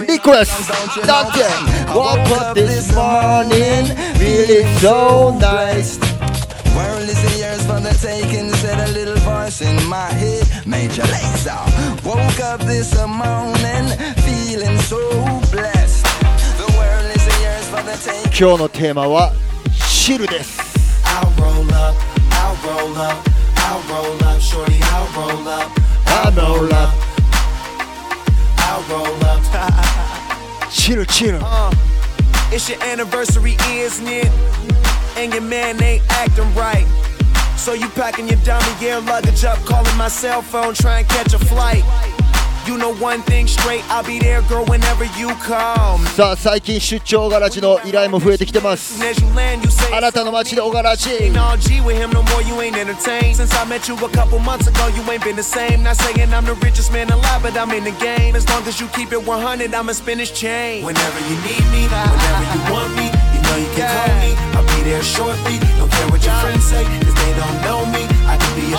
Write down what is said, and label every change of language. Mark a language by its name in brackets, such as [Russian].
[English] in the songs don't you know. Woke up this morning feeling so nice. World is yours for the taking, said a little voice in my head. Major Lazer, woke up this morning feeling so blessed. The world is yours for the taking. [Japanese] 今日の テーマ は汁です. [English] I'll roll up, shorty, I'll roll up. I'll roll up. Chill. It's your anniversary, isn't it? And your man ain't acting right. So you packing your dummy gear luggage up, calling my cell phone, trying to catch a flight. You know one thing straight, I'll be there, girl, whenever you come. [Japanese] さあ、最近出張ガラチの依頼も増えてきてます。あなたの街でおガラチ。 [English] Ain't all G with him no more, you ain't entertained. Since I met you a couple months ago, you ain't been the same. Not saying I'm the richest man alive, but I'm in the game. As long as you keep it 100, I'ma spin his chain. Whenever you need me, whenever you want me, you know you can call me. I'll be there shortly, don't care what your friends say, cause they don't know me. I can be your